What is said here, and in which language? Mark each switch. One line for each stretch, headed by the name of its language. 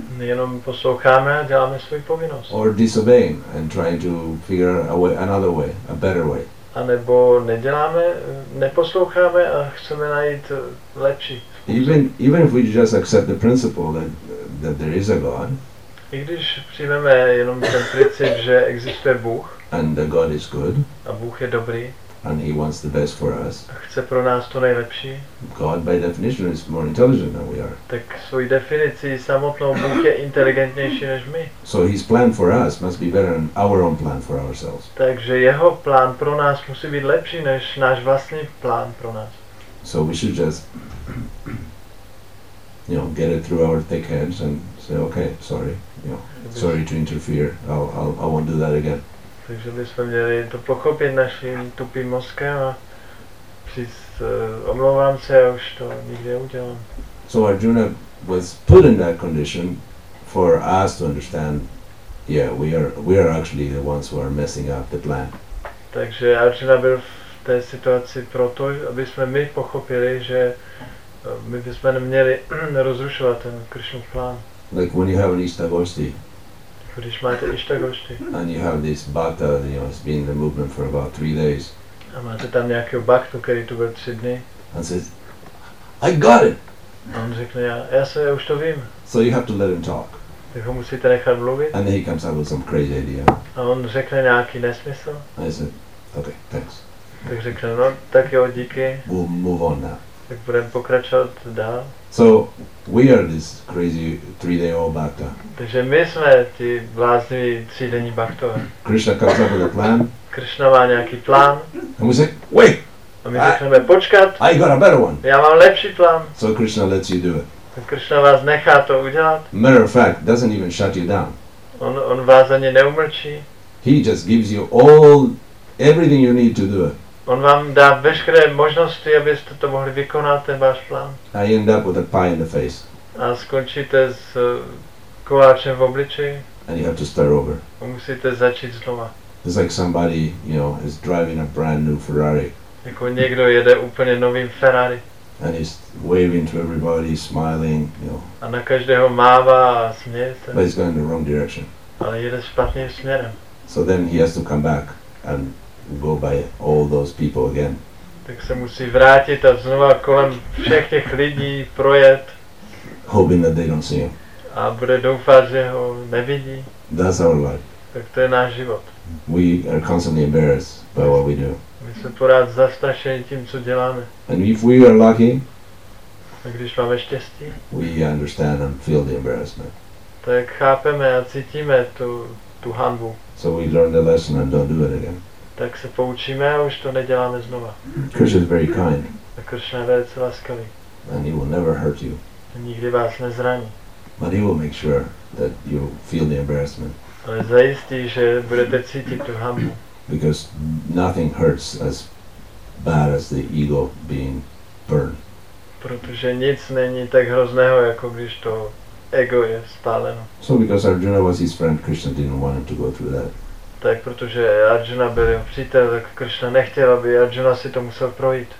Czech: Jenom posloucháme a děláme svou povinnost.
English: Or disobeying and trying to figure a way, another way, a better way.
Czech: A nebo neděláme, neposloucháme a chceme najít lepší.
English: Even if we just accept the principle that there is a God.
Czech: I když přijmeme jenom ten princip, že existuje Bůh.
English: And the God is good.
Czech: A Bůh je dobrý.
English: And he wants the best for us.
Czech: A chce pro nás to nejlepší.
English: God by definition is more intelligent than we are.
Czech: Tak svojí definicí samotnou Bůh je inteligentnější než my.
English: So his plan for us must be better than our own plan for ourselves.
Czech: Takže jeho plán pro nás musí být lepší než náš vlastní plán pro nás.
English: So we should just get it through our thick heads and say, okay, sorry, sorry to interfere. I won't do that again.
Czech: Takže bychom měli to pochopit naším tupým mozkem a omlouvám se, já už to nikdy udělám.
English: So Arjuna was put in that condition for us to understand, we are actually the ones who are messing up the plan.
Czech: Takže Arjuna byl v té situaci proto, aby jsme my pochopili, že my bychom neměli rozrušovat ten Krishnův plán.
English: Like when you have an istagosti.
Czech: Když máte ishtagosti.
English: And you have this bhakta, it's been in the movement for about 3 days.
Czech: A máte tam nějakého bhaktu, který tu byl 3 dny.
English: And says, I got it!
Czech: A on řekne, já už to vím.
English: So you have to let him talk.
Czech: Tak ho musíte nechat mluvit.
English: And then he comes up with some crazy idea.
Czech: A on řekne nějaký nesmysl.
English: I said, okay, thanks.
Czech: Tak řekne, no tak jo, díky.
English: We'll move on now.
Czech: Tak budeme pokračovat dál.
English: So, we are this crazy 3-day-old bhakta.
Czech: Takže my jsme ti blázniví 3-denní bhaktové.
English: Krishna comes up with a plan.
Czech: Krishna má nějaký plán.
English: And we say, wait!
Czech: A my řekneme, počkat.
English: I got a better one.
Czech: Já mám lepší plán.
English: So Krishna lets you do it.
Czech: Tak Krishna vás nechá to udělat.
English: Matter of fact, doesn't even shut you down.
Czech: On vás ani neumlčí.
English: He just gives you all, everything you need to do it.
Czech: On vám dá veškeré možnosti, abyste to mohli vykonat, ten váš plán.
English: I end up with a pie in the face.
Czech: A skončíte s koláčem v obličeji.
English: And you have to start over.
Czech: A musíte začít znova.
English: It's like somebody, is driving a brand new Ferrari.
Czech: Jako někdo jede úplně novým Ferrari.
English: And he's waving to everybody, smiling,
Czech: A na každého mává a směje se.
English: But he's going the wrong direction.
Czech: Ale jede špatným směrem.
English: So then he has to come back and go by all those people again.
Czech: Tak se musí vrátit a znova kolem všech těch lidí projet.
English: Hoping that they don't see him.
Czech: A bude doufat, že ho nevidí.
English: That's our life.
Czech: Tak to je náš život.
English: We are constantly embarrassed by what we do.
Czech: My jsme pořád zastrašeni tím, co děláme.
English: And if we are lucky,
Czech: a když máme štěstí,
English: we understand and feel the embarrassment.
Czech: Tak chápeme a cítíme tu hanbu.
English: So we learn the lesson and don't do it again.
Czech: Tak se poučíme a už to neděláme znova.
English: Krishna is very kind.
Czech: A Krishna je velice laskavý.
English: And he will never hurt you.
Czech: A nikdy vás nezraní.
English: But he will make sure that you feel the embarrassment.
Czech: Ale zajistí, že budete cítit tu hanbu.
English: Because nothing hurts as bad as the ego being burned.
Czech: Protože nic není tak hrozného, jako když to ego je spáleno.
English: So because Arjuna was his friend, Krishna didn't want him to go through that.
Czech: Tak protože Arjuna byl jeho přítel, tak Krishna nechtěl, aby Arjuna si to musel projít.